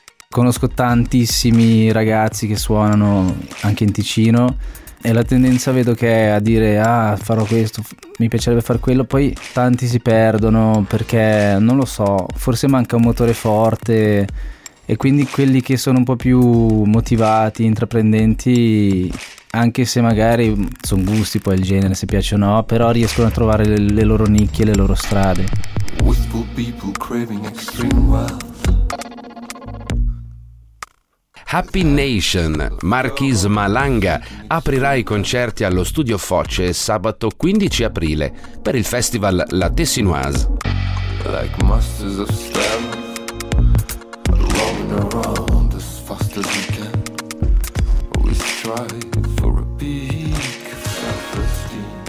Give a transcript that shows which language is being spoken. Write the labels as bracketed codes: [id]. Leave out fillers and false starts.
[it] Conosco tantissimi ragazzi che suonano anche in Ticino e la tendenza vedo che è a dire farò questo, mi piacerebbe far quello, poi tanti si perdono perché non lo so, forse manca un motore forte. E quindi quelli che sono un po' più motivati, intraprendenti, anche se magari sono gusti poi il genere, se piace o no, però riescono a trovare le loro nicchie, le loro strade. [en] Wistful people craving extreme wealth. Happy Nation. [it] Marquis Malanga aprirà i concerti allo studio Foce sabato 15 aprile per il festival La Tessinoise. [en] Like masters of stem, rolling around as fast as we can. We try for a peak self-esteem.